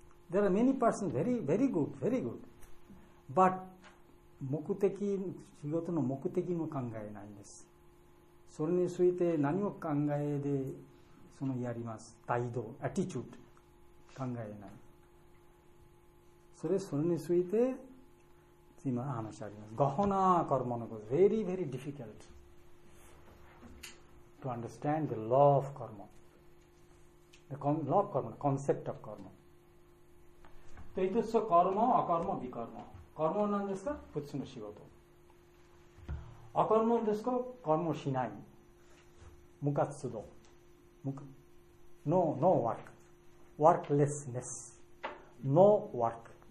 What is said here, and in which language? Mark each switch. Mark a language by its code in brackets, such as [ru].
[en] There are many persons very, very good, very good, but [ja] 目的、仕事の目的も考えないんです。それについて何を考えでそのやります、態度、アティチュード考えない。それについて今話あります。ガハナカルマのこと [en] very very difficult to understand the law of karma, the law of karma, concept of karma. [ja] テイトスカルマ、アカルマ、ビカルマ。カルマなんですか、プッツの仕事。アカルマですか、カルマしない無活動、無活、ノーワーク、ワークレスネス、ノーワーク。